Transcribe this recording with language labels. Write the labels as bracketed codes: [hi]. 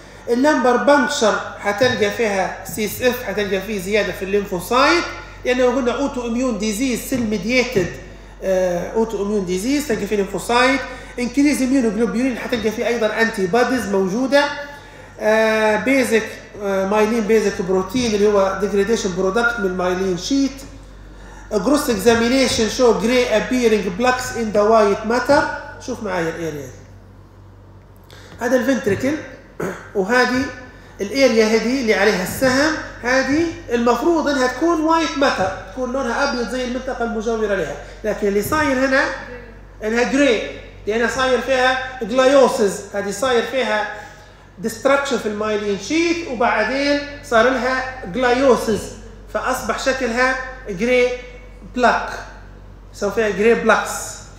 [ar] النمبر بنكشر حتلقى فيها سي اس اف، حتلقى فيه زياده في الليمفوسايت، لانه قلنا اوتو اميون ديزيز سيل ميديتد اوتو اميون ديزيز، تلقى فيه الليمفوسايت. انكريز اميون جلوبولين حتلقى فيه ايضا انتي باديز موجوده. بيزك مايلين بيزك بروتين اللي هو ديجريديشن برودكت من مايلين شيت. [en] A gross examination show gray appearing blocks in the white matter. [ar] شوف معايا الاريا دي. هذا الفنتريكل وهذه الاريا هذه اللي عليها السهم، هذه المفروض انها تكون white matter، تكون لونها ابيض زي المنطقه المجاوره لها، لكن اللي صاير هنا انها gray، لانها صاير فيها gliosis، هذه صاير فيها destruction في المايلين شيث وبعدين صار لها gliosis فاصبح شكلها gray بلاك، سوف فيها جري بلاكس.